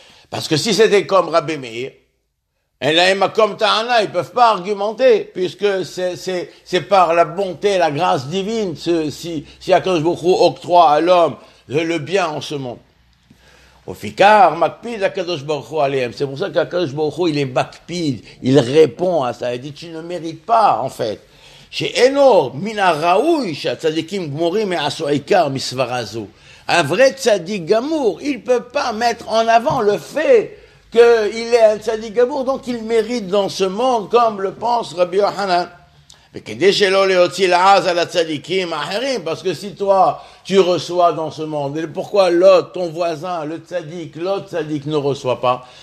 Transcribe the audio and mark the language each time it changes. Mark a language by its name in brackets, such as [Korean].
[French] Parce que si c'était comme Rabbi Meir, et là, comme Ta'ana, ils peuvent pas argumenter, puisque c'est par la bonté, la grâce divine, si Akadosh Baruch Hu octroie à l'homme le bien en ce monde. [Hebrew] Ofikar, makpid, Akadosh Baruch Hu aleihem. [French] C'est pour ça qu'Akadosh Baruch Hu, il est makpid, il répond à ça, il dit, tu ne mérites pas, en fait. [Hebrew] שאינו מן הראוי שהצדיקים גמורים יעשו עיקר מסברה זו. [French] Un vrai tzadik gamour, il ne peut pas mettre en avant le fait qu'il est un tzadik gamour, donc il mérite dans ce monde, comme le pense Rabbi Yohanan. [Hebrew] וכדי שלא להוציא לעז על הצדיקים האחרים, [French] parce que si toi, tu reçois dans ce monde, et pourquoi l'autre, ton voisin, l'autre tzadik ne reçoit pas?